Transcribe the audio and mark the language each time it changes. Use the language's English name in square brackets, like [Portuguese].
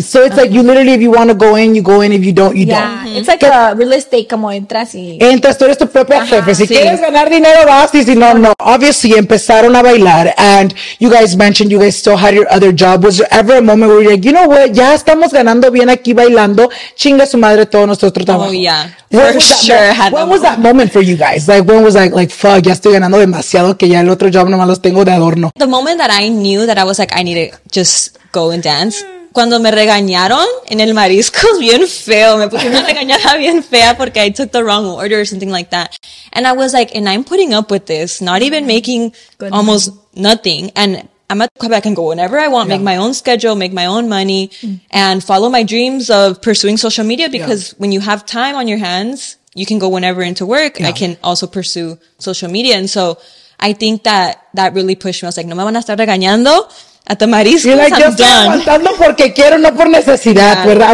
[English] So it's like you literally, if you want to go in, you go in, if you don't, you don't. Yeah, it's like a real estate, [Spanish] como entras y... Entras, tú eres tu propia jefe. Si quieres ganar dinero, vas y si no, no. [English] Obviously, [Spanish] empezaron a bailar [English] and you guys mentioned you guys still had your other job. Was there ever a moment where you're like, you know what, [Spanish] ya estamos ganando bien aquí bailando, chinga su madre todo nuestro trabajo. [English] Oh, yeah. When was that moment for you guys? Like, when was like, fuck, [Spanish] ya estoy ganando demasiado que ya el otro job nomás los tengo de adorno. [English] The moment that I knew that I was like, I need to just go and dance, [Spanish] cuando me regañaron en el marisco, bien feo. Me puse una regañada bien fea porque [English] I took the wrong order or something like that. And I was like, and I'm putting up with this, not even making almost nothing. And I'm at Quebec and go whenever I want, make my own schedule, make my own money, and follow my dreams of pursuing social media. Because when you have time on your hands, you can go whenever into work. Yeah. I can also pursue social media. And so I think that that really pushed me. I was like, [Spanish] no me van a estar regañando. [English] At the marisco, you're like, I'm [Spanish] yo [English] done. [Spanish] Estoy aguantando porque quiero, no por necesidad, ¿verdad?